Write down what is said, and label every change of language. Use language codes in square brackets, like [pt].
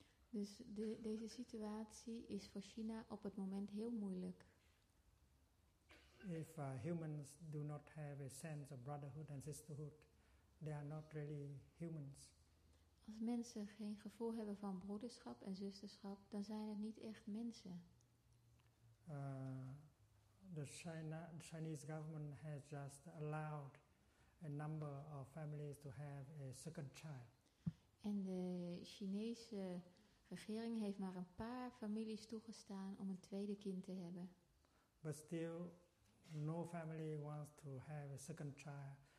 [nl] Dus deze situatie is voor China op het moment heel moeilijk. [en] If humans do not have a sense of brotherhood and sisterhood, they are not really humans. [nl] Als mensen geen gevoel hebben van broederschap en zusterschap, dan zijn het niet echt mensen. [en] the Chinese government has just allowed a number of families to have a second child. [nl] En de Chinese regering heeft maar een paar families toegestaan om een tweede kind te hebben. [en] But still, no family wants to have a second child.